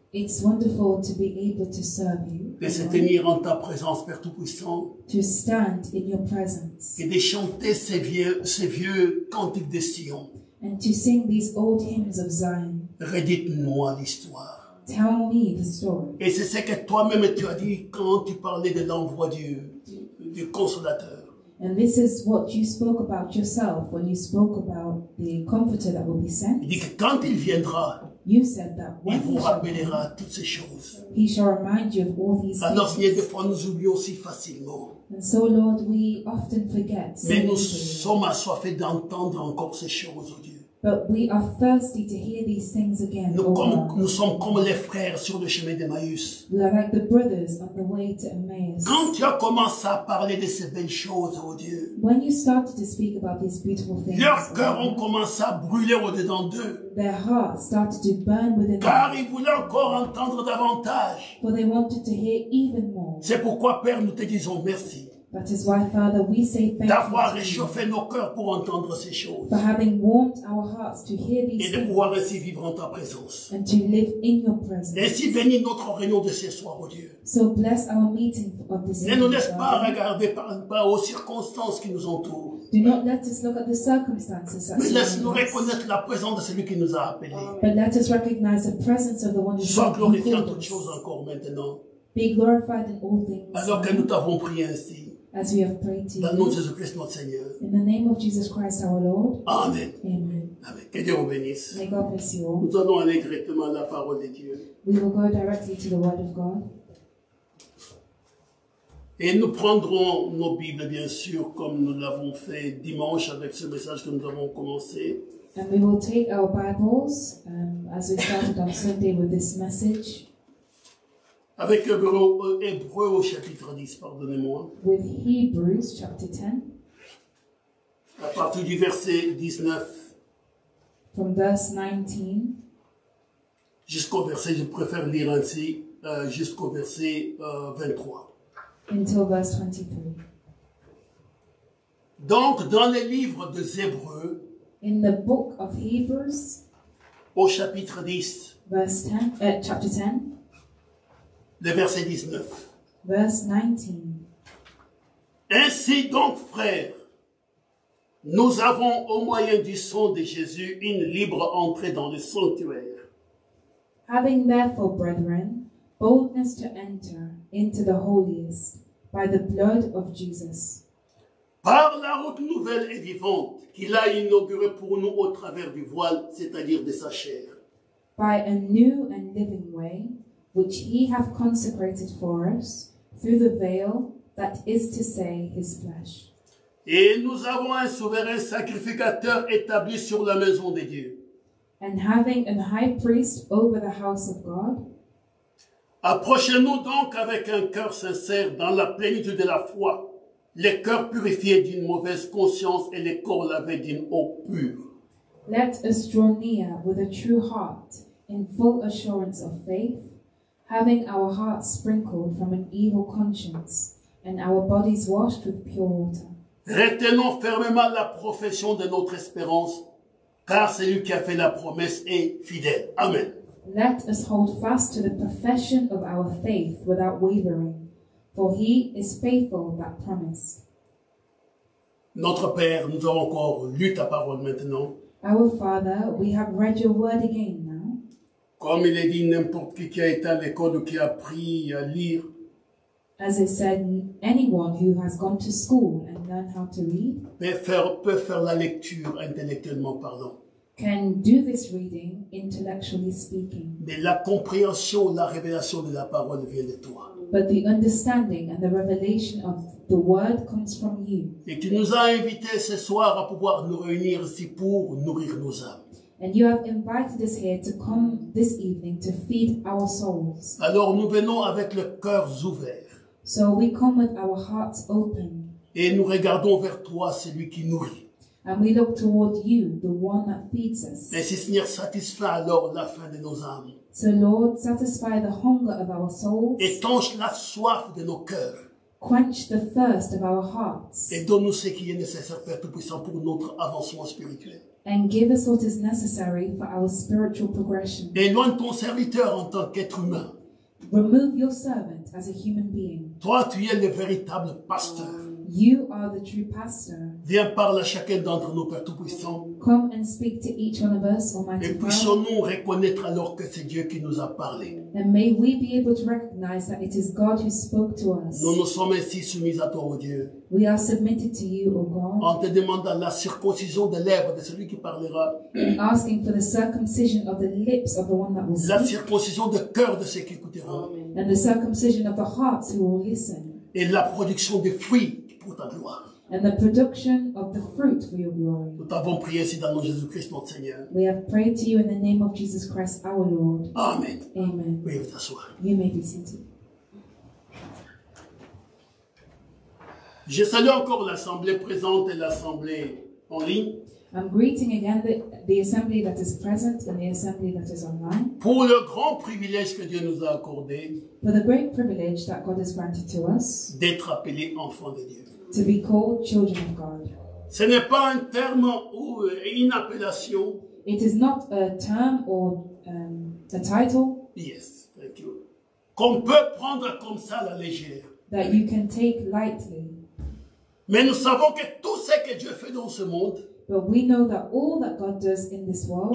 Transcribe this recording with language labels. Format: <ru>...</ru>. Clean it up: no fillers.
<en>It's wonderful to be able to serve you.</en> <fr>De se tenir en ta présence, Père Tout-Puissant.</fr> <en>To stand in your presence.</en> <fr>Et de chanter ces vieux cantiques de Sion.</fr> <en>And to sing these old hymns of Zion.</en> <fr>Redites-moi l'histoire.</fr> <en>Tell me the story.</en> <fr>Et c'est ce que toi-même tu as dit quand tu parlais de l'envoi du Consolateur.</fr> <en>And this is what you spoke about yourself when you spoke about the Comforter that will be sent.</en> <fr>Il dit que quand il viendra.</fr> <en>You said that</en> <fr>il vous rappellera toutes ces choses.</fr> <en>He shall remind you of all these things.</en> <fr>Alors, Seigneur, des fois, nous oublions si facilement.</fr> <en>And so, Lord, we often forget.</en> <fr>Mais nous sommes assoiffés d'entendre encore ces choses, oh Dieu.</fr> <en>But we are thirsty to hear these things again.</en> <fr>Nous sommes comme les frères sur le chemin d'Emmaüs.</fr> <en>We are like the brothers on the way to Emmaus.</en> <fr>Quand tu as commencé à parler de ces belles choses, oh Dieu.</fr> <en>When you started to speak about these beautiful things.</en> <fr>Leurs cœurs ont commencé à brûler au dedans d'eux.</fr> <en>Their hearts started to burn within them.</en> <fr>Car ils voulaient encore entendre davantage.</fr> <en>For they wanted to hear even more.</en> <fr>C'est pourquoi, Père, nous te disons merci.</fr> <en>That is why, Father, we say thank you.</en> <fr>D'avoir réchauffé nos cœurs pour entendre ces choses.</fr> <en>For having warmed our hearts to hear these things.</en> <fr>Et de pouvoir ainsi vivre en ta présence.</fr> <en>And to live in your presence.</en> <fr>Ainsi bénis notre réunion de ce soir, oh Dieu.</fr> <en>So bless our meeting of this evening.</en> <fr>Ne nous laisse pas regarder par aux circonstances qui nous entourent.</fr> <en>Do not let us look at the circumstances.</en> <fr>Mais laisse-nous reconnaître la présence de celui qui nous a appelés.</fr> <en>But let us recognize the presence of the one who called us.</en> <fr>Sois glorifié en toutes choses encore maintenant.</fr> <en>Be glorified in all things.</en> <fr>Alors que nous t'avons prié ainsi.</fr> <en>As we have prayed to you.</en> <fr>Dans le nom de Jésus-Christ, notre Seigneur.</fr> <en>In the name of Jesus Christ, our Lord.</en> <fr>Amen.</fr> <en>Amen. Amen.</en> <fr>Que Dieu vous bénisse.</fr> <en>May God bless you all.</en> <fr>Nous allons aller directement à la parole de Dieu.</fr> <en>We will go directly to the word of God.</en> <fr>Et nous prendrons nos Bibles, bien sûr, comme nous l'avons fait dimanche avec ce message que nous avons commencé.</fr> <en>And we will take our Bibles, as we started on Sunday with this message.</en> <fr>Avec Hébreux au chapitre 10, pardonnez-moi.</fr> <en>With Hebrews chapter 10.</en> <fr>À partir du verset 19.</fr> <en>From verse 19.</en> <fr>Jusqu'au verset, je préfère lire ainsi, jusqu'au verset 23.</fr> <en>Until verse 23.</en> <fr>Donc, dans les livres des Hébreux.</fr> <en>In the book of Hebrews.</en> <fr>Au chapitre 10.</fr> <en>Verse 10, chapter 10.</en> <fr>Le verset 19.</fr> <en>Verse 19.</en> <fr>Ainsi donc, frères, nous avons au moyen du sang de Jésus une libre entrée dans le sanctuaire.</fr> <en>Having therefore, brethren, boldness to enter into the holiest by the blood of Jesus.</en> <fr>Par la route nouvelle et vivante qu'il a inaugurée pour nous au travers du voile, c'est-à-dire de sa chair.</fr> <en>By a new and living way, which he hath consecrated for us through the veil, that is to say, his flesh.</en> <fr>Et nous avons un souverain sacrificateur établi sur la maison de Dieu.</fr> <en>And having an high priest over the house of God.</en> <fr>Approchez-nous donc avec un cœur sincère dans la plénitude de la foi, les cœurs purifiés d'une mauvaise conscience et les corps lavés d'une eau pure.</fr> <en>Let us draw near with a true heart in full assurance of faith, Having our hearts sprinkled from an evil conscience and our bodies washed with pure water.</en> <fr>Retenons fermement la profession de notre espérance, car celui qui a fait la promesse est fidèle. Amen.</fr> <en>Let us hold fast to the profession of our faith without wavering, for he is faithful that promised.</en> <fr>Notre Père, nous avons encore lu ta parole maintenant.</fr> <en>Our Father, we have read your word again now.</en> <fr>Comme il est dit, n'importe qui a été à l'école ou qui a appris à lire.</fr> <en>As it said, anyone who has gone to school and learned how to read.</en> <fr>Peut faire la lecture intellectuellement parlant.</fr> <en>Can do this reading intellectually speaking.</en> <fr>Mais la compréhension, la révélation de la parole vient de toi.</fr> <en>But the understanding and the revelation of the word comes from you.</en> <fr>Et tu nous as invités ce soir à pouvoir nous réunir ici pour nourrir nos âmes.</fr> <en>And you have invited us here to come this evening to feed our souls.</en> <fr>Alors nous venons avec le cœur ouvert.</fr> <en>So we come with our hearts open.</en> <fr>Et nous regardons vers toi, celui qui nourrit.</fr> <en>And we look toward you, the one that feeds us.</en> <fr>Et si Seigneur, satisfait alors la faim de nos âmes.</fr> <en>So Lord, satisfy the hunger of our souls.</en> <fr>Étanche la soif de nos cœurs.</fr> <en>Quench the thirst of our hearts.</en> <fr>Et donne-nous ce qui est nécessaire, Père Tout-Puissant, pour notre avancement spirituel.</fr> <en>And give us what is necessary for our spiritual progression.</en> <fr>Éloigne ton serviteur en tant qu'être humain.</fr> <en>Remove your servant as a human being.</en> <fr>Toi, tu es le véritable pasteur.</fr> <en>You are the true pastor.</en> <fr>Viens parler à chacun d'entre nous, Père Tout-Puissant.</fr> <en>Come and speak to each one of us, Almighty God.</en> <fr>Et puissions-nous reconnaître alors que c'est Dieu qui nous a parlé.</fr> <en>And may we be able to recognize that it is God who spoke to us.</en> <fr>Nous nous sommes ainsi soumis à toi, oh Dieu.</fr> <en>We are submitted to you, oh God.</en> <fr>En te demandant la circoncision des lèvres de celui qui parlera.</fr> <en>Asking for the circumcision of the lips of the one that will speak.</en> <fr>La circoncision du cœur de ceux qui écouteront.</fr> <en>And the circumcision of the hearts who will listen.</en> <fr>Et la production des fruits. Pour ta gloire.</fr> <en>And the production of the fruit for your glory.</en> <fr>Nous t'avons prié ainsi dans le nom de Jésus-Christ, notre Seigneur.</fr> <en>We have prayed to you in the name of Jesus Christ, our Lord.</en> <fr>Amen.</fr> <en>Amen.</en> <fr>Veuillez vous asseoir.</fr> <en>You may be seated.</en> <fr>Je salue encore l'assemblée présente et l'assemblée en ligne.</fr> <en>I'm greeting again the assembly that is present and the assembly that is online.</en> <fr>Pour le grand privilège que Dieu nous a accordé.</fr> <en>For the great privilege that God has granted to us.</en> <fr>D'être appelé enfant de Dieu.</fr> <en>To be called children of God.</en> <fr>Ce n'est pas un terme ou une appellation.</fr> <en>It is not a term or a title. Yes, thank you.</en> <fr>Qu'on peut prendre comme ça à la légère.</fr> <en>That you can take lightly.</en> <fr>Mais nous savons que tout ce que Dieu fait dans ce monde.</fr> <en>But we know that all that God does in this world,</en>